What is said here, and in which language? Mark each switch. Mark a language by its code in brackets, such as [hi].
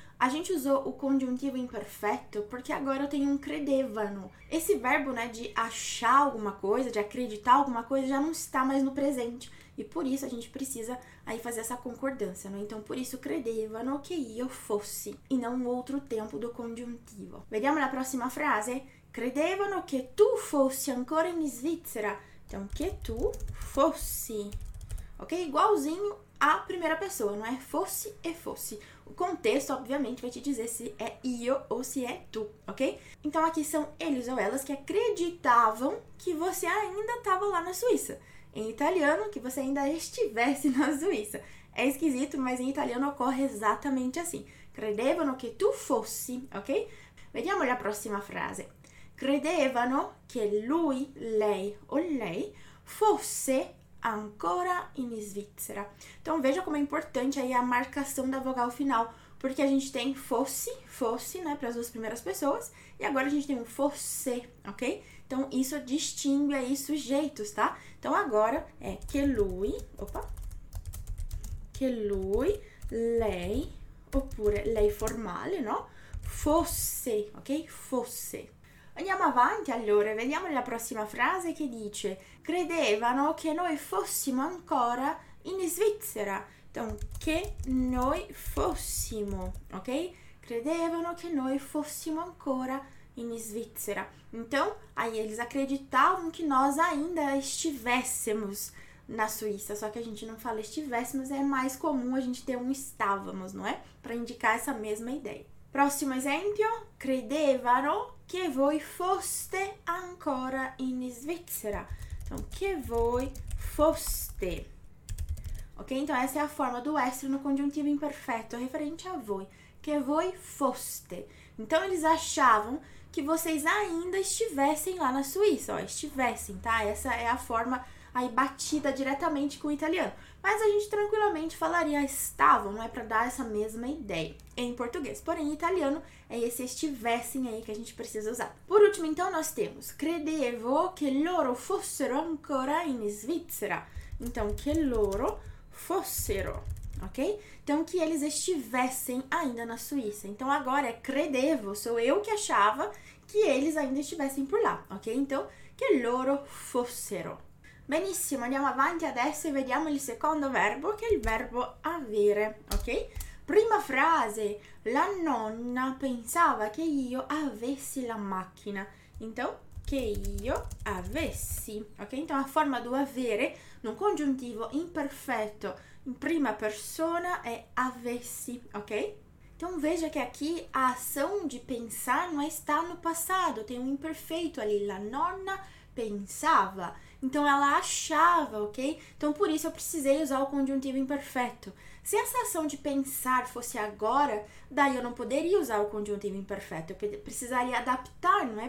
[pt] A gente usou o conjuntivo imperfeito porque agora eu tenho um credevano. Esse verbo, né, de achar alguma coisa, de acreditar alguma coisa, já não está mais no presente. E por isso a gente precisa aí fazer essa concordância, né? Então, por isso credevano que [it] io fossi [pt] e não o outro tempo do conjuntivo. [it] Vediamo la prossima frase. Credevano che tu fossi ancora in Svizzera. [pt] Então, [it] che tu fossi. Ok? [pt] Igualzinho a primeira pessoa, não é? Fossi e fossi. O contexto, obviamente, vai te dizer se é io ou se é tu, ok? Então aqui são eles ou elas que acreditavam que você ainda estava lá na Suíça. Em italiano, que você ainda estivesse na Suíça. É esquisito, mas em italiano ocorre exatamente assim. [it] Credevano che tu fossi, ok? Vediamo la prossima frase. Credevano che lui, lei o lei fosse ancora in Svizzera. [pt] Então veja como é importante aí a marcação da vogal final, porque a gente tem fosse, fosse, né, para as duas primeiras pessoas, e agora a gente tem um fosse, ok? Então isso distingue aí sujeitos, tá? Então agora é que lui, opa, que [it] lui, lei, oppure lei formale, no? Fosse, ok? Fosse. Andiamo avanti allora, vediamo la prossima frase che dice: credevano che noi fossimo ancora in Svizzera. [pt] Então, [it] che noi fossimo, ok? Credevano che noi fossimo ancora in Svizzera. [pt] Então, aí eles acreditavam que nós ainda estivéssemos na Suíça, só que a gente não fala estivéssemos, é mais comum a gente ter um estávamos, não é? Para indicar essa mesma ideia. Próximo exemplo: [it] credevano che voi foste ancora in Svizzera. [pt] Então, [it] che voi foste. Ok? [pt] Então, essa é a forma do essere no congiuntivo imperfeito, referente a voi. [it] Che voi foste. [pt] Então, eles achavam que vocês ainda estivessem lá na Suíça. Ó, estivessem, tá? Essa é a forma aí batida diretamente com o italiano. Mas a gente tranquilamente falaria estavam, não é para dar essa mesma ideia em português. Porém, em italiano é esse estivessem aí que a gente precisa usar. Por último, então, nós temos [it] credevo che loro fossero ancora in Svizzera. [pt] Então, [it] che loro fossero, ok? [pt] Então, que eles estivessem ainda na Suíça. Então, agora é credevo, sou eu que achava que eles ainda estivessem por lá, ok? Então, [it] che loro fossero. Benissimo, andiamo avanti adesso e vediamo il secondo verbo, che è il verbo avere, ok? Prima frase, la nonna pensava che io avessi la macchina. [pt] Então, [it] che io avessi, ok? [pt] Então, a forma do avere, num [it] congiuntivo imperfetto, in prima persona, è avessi, [pt] ok? Então, veja che aqui a ação de pensar non está no passato, tem um imperfeito ali, [it] la nonna pensava. [pt] Então ela achava, ok? Então por isso eu precisei usar o conjuntivo imperfeito. Se essa ação de pensar fosse agora, daí eu não poderia usar o conjuntivo imperfeito. Eu precisaria adaptar, não é?